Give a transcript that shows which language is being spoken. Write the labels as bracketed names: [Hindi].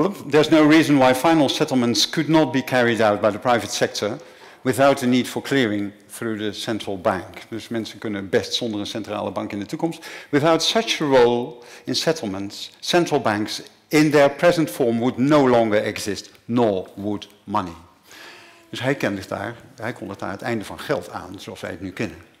[English] There's no reason why final settlements could not be carried out by the private sector without the need for clearing through the central bank. [Dutch] Dus mensen kunnen best zonder een centrale bank in de toekomst. [English] Without such a role in settlements, central banks in their present form would no longer exist, nor would money. [Dutch] Dus hij kende daar, hij kon daar het einde van geld aan, zoals wij het nu kennen.